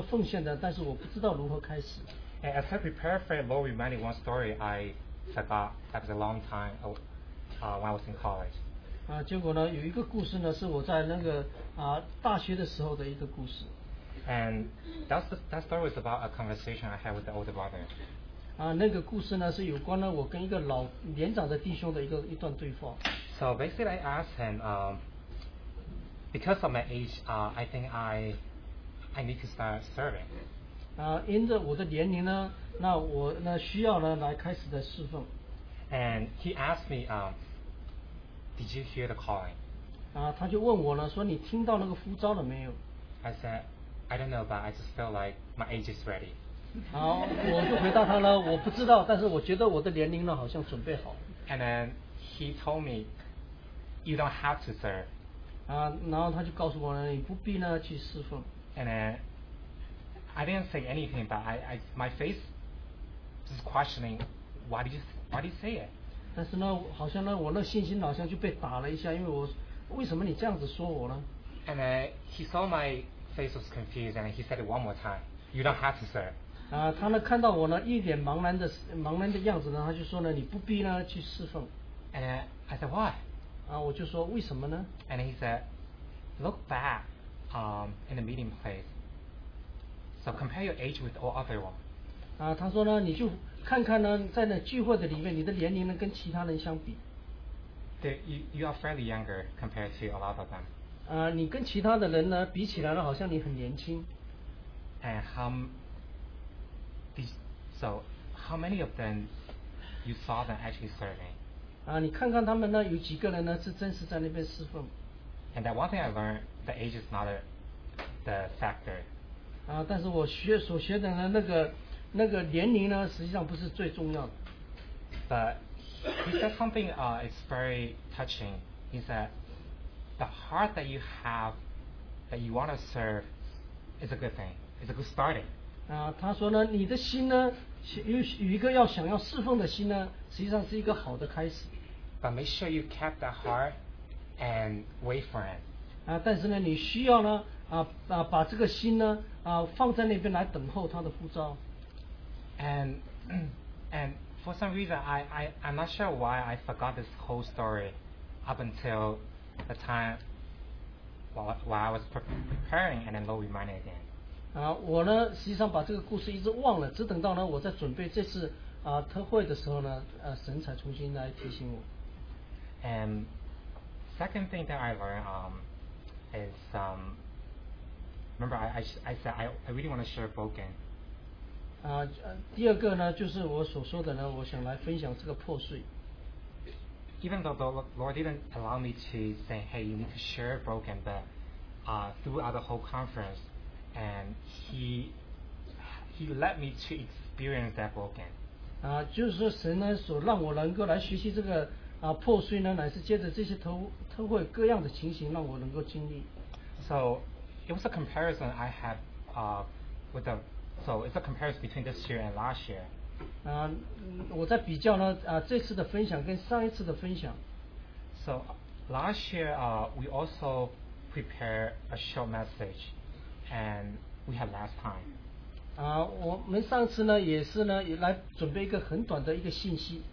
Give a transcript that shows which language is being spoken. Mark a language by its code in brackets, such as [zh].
[zh] 我知道呢，我要来谈这个奉献的，但是我不知道如何开始。 [en] And as I prepare for the Lord reminding one story, I forgot that was a long time when I was in college. [zh] 结果呢，有一个故事呢，是我在那个大学的时候的一个故事。 [en] And that's the, that story was about a conversation I had with the older brother. [zh] 那个故事呢是有关呢我跟一个老年长的弟兄的一个一段对话。 [en] So basically I asked him, because of my age, I think I need to start serving. [zh] 因着我的年龄呢那我呢需要呢来开始的侍奉。 [en] And he asked me, did you hear the calling? [zh] 他就问我呢说你听到那个呼召了没有 [en] ?I said, I don't know, but I just feel like my age is ready. [zh] 好我就回答他了我不知道但是我觉得我的年龄呢好像准备好。 [en] And then he told me, you don't have to serve. [zh] 然后他就告诉我呢你不必呢去侍奉。 [en] And then I didn't say anything, but I my face is questioning, why did you say it? [zh] 但是呢好像呢我那信心好像就被打了一下因为我为什么你这样子说我呢 [en] And then he saw my face was confused and he said it one more time, you don't have to serve. [zh] 他呢看到我呢一脸茫然的样子呢他就说呢你不必呢去侍奉。 [en] And then I said, why? [zh] 我就说为什么呢 [en] And he said, look back, in the meeting place. So compare your age with all other one. [zh] 他说呢你就看看呢在那聚会的里面你的年龄呢跟其他人相比。对 [en] you are fairly younger compared to a lot of them. [zh] 你跟其他的人呢比起来呢好像你很年轻。 [en] And how many of them you saw them actually serving? [zh] 你看看他们呢有几个人呢是真实在那边侍奉。 [en] And that one thing I learned, the age is not the factor. [zh] 但是我学所学的呢那个年龄呢实际上不是最重要的。 [en] But he said something it's very touching. He said, the heart that you have, that you want to serve, is a good thing. It's a good starting. [zh] 他说呢你的心呢 有一个要想要侍奉的心呢实际上是一个好的开始。 [en] But make sure you kept that heart and wait for it. [zh] 但是呢你需要呢把这个心呢放在那边来等候他的呼召。 [en] And for some reason, I'm not sure why I forgot this whole story up until the time while I was preparing and then Lord reminded again. [zh] 我呢实际上把这个故事一直忘了，只等到呢我在准备这次特会的时候呢，神才重新来提醒我。 [en] And second thing that I learned is remember I said I really want to share broken. [zh] 第二个呢就是我所说的呢我想来分享这个破碎 [en] even though the Lord didn't allow me to say hey you need to share broken but throughout the whole conference and he let me to experience that broken [zh] 就是神呢所让我能够来学习这个破碎呢乃是借着这些特会各样的情形让我能够经历 [en] so it was a comparison I had with theSo it's a comparison between this year and last year. [zh] 我在比较呢，这次的分享跟上一次的分享。 [en] So last year, we also prepared a short message, and we had last time. [zh] 我们上次呢也是呢也来准备一个很短的一个信息。